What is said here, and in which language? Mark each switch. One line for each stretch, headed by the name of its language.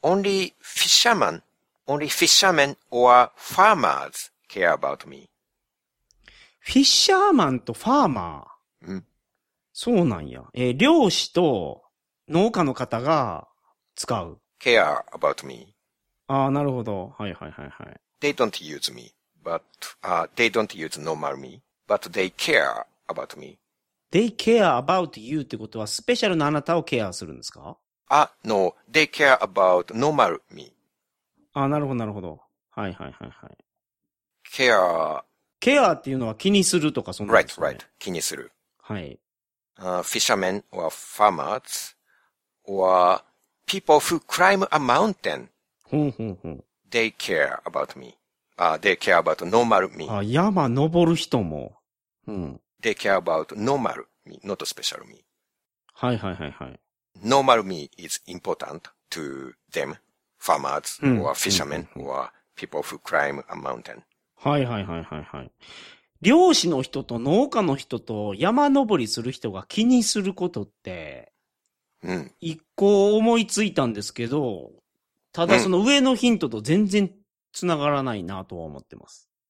English: Only fishermen or farmers care about me.
Japanese: フィッシャーマンとファーマー。ん？そうなんや。漁師と農家の方が使う。
English: care about me.
Japanese: ああ、なるほど。はいはいはいはい。
English: They don't use me, but, they don't use normal me, but they care about me. They care about you
Japanese: ってことは、スペシャルなあなたをケアするんですか？
English: あ、no, they care about normal me.
Japanese: あ、なるほど、なるほど。はいはいはいはい。
English: care
Japanese: っていうのは気にするとかそんなんですね。right, right, 気にする。はい。
English: Fishermen or farmers or people who climb a mountain. ほんほんほん。 They care about me. They care about normal me.
Japanese: あ、山登る人も。うん。
English: They care about normal me, not special me. はいはいはいはい。 Normal me is important to them, farmers or fishermen or people who climb a mountain.
Japanese: はいはいはいはいはい。漁師の人と農家の人と山登りする人が気にすることって、うん。一個思いついたんですけど、ただその上のヒントと全然つながらないなとは思ってます。